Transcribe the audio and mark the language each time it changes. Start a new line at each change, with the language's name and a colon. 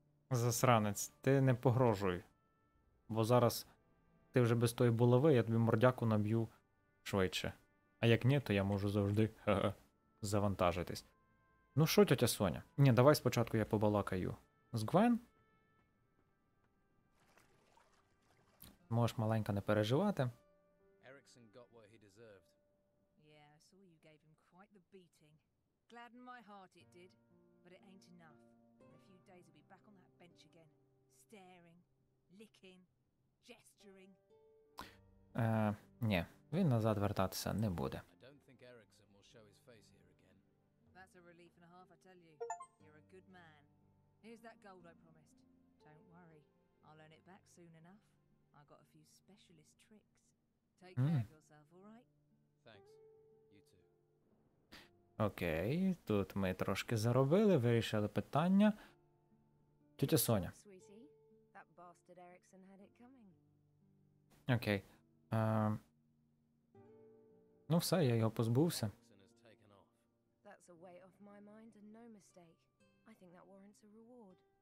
Ukrainian: Засранець, ти не погрожуй. Бо зараз ти вже без тої булави, я тобі мордяку наб'ю швидше. А як ні, то я можу завжди завантажитись. Ну що, тетя Соня? Ні, давай спочатку я побалакаю з Гвен. Можеш маленька не переживати.
English: Jackson got what he deserved. Yeah, I saw you gave him quite the beating. Gladden my heart it did, but it ain't enough. In a few days he'll be back on that bench again, staring, licking, gesturing.
Ukrainian: Ні, він назад вертатися не буде.
English: I don't think Erickson will show his face here again. That's a relief and a half, I tell you. You're a good man. Here's that gold I promised. Don't worry, I'll earn it back soon enough. I got a few specialist tricks. Take care of yourself, all right? Thanks. You too.
Ukrainian: Окей, тут ми трошки заробили, вирішили питання. Тетя Соня.
English: Sweetie, that bastard Erickson had it coming.
Ukrainian: Окей. Ну все, я його позбувся.
English: Erickson has taken off. That's a weight off my mind and no mistake. I think that warrants a reward.